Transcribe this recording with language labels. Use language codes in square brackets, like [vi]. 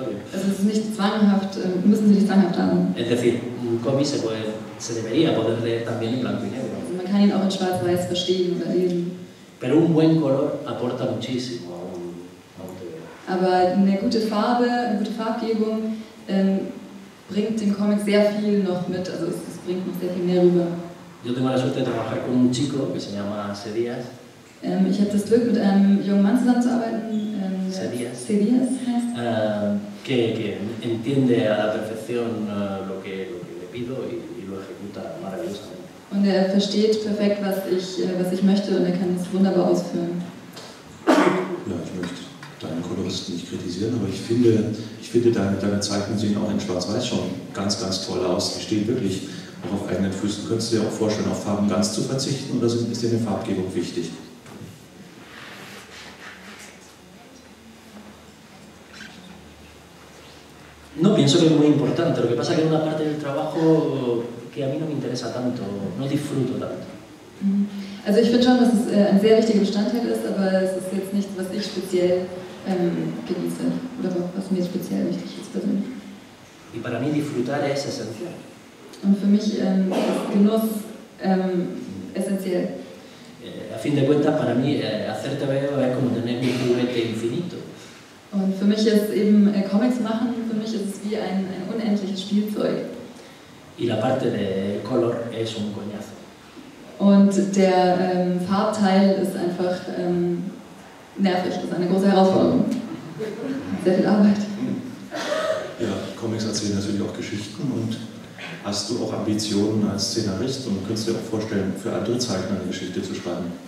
[de] Also es ist nicht zwanghaft, müssen sie nicht zwanghaft haben. [es] Es decir, un cómic se puede, se debería poder leer también en blanco y negro. [de] Also man kann ihn auch in Schwarz-Weiß verstehen oder lesen. [es] Pero un buen color aporta muchísimo a un [de] Aber eine gute Farbe, eine gute Farbgebung bringt dem Comic sehr viel noch mit. Also es, es bringt noch sehr viel mehr rüber. [es] Yo tengo la suerte de trabajar con un chico que se llama Cedías. [de] Ich habe das Glück, mit einem jungen Mann zusammenzuarbeiten. [es] Cedías. Cedías [de] heißt. [es] Que entiende a la perfección lo que le pido y, y lo ejecuta maravillosamente. [de] Und er versteht perfekt, was ich möchte und er kann es wunderbar ausführen. Ja, ich möchte deinen Koloristen nicht kritisieren, aber ich finde deine, deine Zeichnungen sehen auch in Schwarz-Weiß schon ganz, ganz toll aus. Die stehen wirklich auch auf eigenen Füßen. Könntest du dir auch vorstellen, auf Farben ganz zu verzichten oder sind, ist dir eine Farbgebung wichtig? [es] No pienso que es muy importante, lo que pasa es que es una parte del trabajo que a mí no me interesa tanto, no disfruto tanto. [de] Also ich finde schon, dass es ein sehr wichtiger Bestandteil ist, aber es ist jetzt nichts, was ich speziell genieße oder was mir speziell wichtig ist persönlich. [es] Y para mí disfrutar es esencial. [de] Und für mich ist Genuss [es] esencial. A fin de cuentas, para mí hacerte veo es como tener un juguete infinito. [de] Und für mich ist eben Comics machen, für mich ist es wie ein unendliches Spielzeug. [es] Y la parte de color es un coñazo. [de] Und der Farbteil ist einfach nervig, das ist eine große Herausforderung. Sehr viel Arbeit. Ja, Comics erzählen natürlich auch Geschichten. Und hast du auch Ambitionen als Szenarist und könntest dir auch vorstellen, für andere Zeichner eine Geschichte zu schreiben?